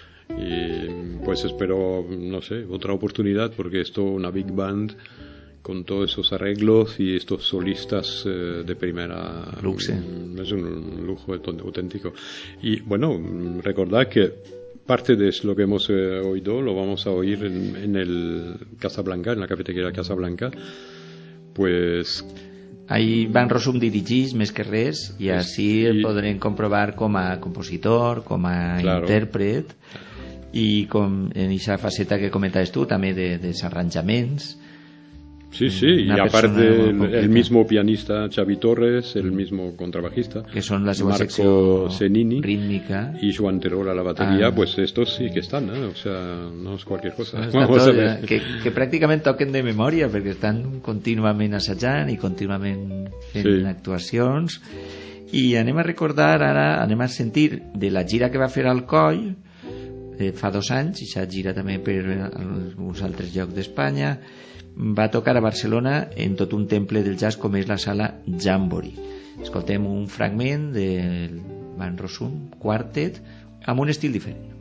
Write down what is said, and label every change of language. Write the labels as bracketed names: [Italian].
[Spanish] Y pues espero, no sé, otra oportunidad, porque esto, una big band con todos esos arreglos y estos solistas de primera [Catalan] luxe, [Spanish] es un lujo auténtico. Y bueno, recordad que parte de lo que hemos oído lo vamos a oír en el Casablanca, en la cafetería Casablanca. Pues [Catalan] ahí van resum dirigís més que res, i així podrem comprovar com a compositor, com a intèrpret, i com en aquesta faceta que comentaves tu també de dels arranjaments. [Spanish] Sí, y aparte el mismo pianista Xavi Torres, el mismo contrabajista, que son la Marco Senini, rítmica, y Joan Terol a la batería, pues estos sí que están, ¿eh? O sea, no es cualquier cosa. Que prácticamente toquen de memoria, porque están continuamente assajant y continuamente en actuaciones. [Catalan] Y anem a recordar ahora, anem a sentir de la gira que va a fer al Coll, fa dos anys, [Spanish] y esa gira también [Catalan] per alguns altres llocs d'Espanya. Va tocar a Barcelona en tot un temple del jazz com és la sala Jamboree. Escoltem un fragment del Van Rossum Quartet amb un estil diferent.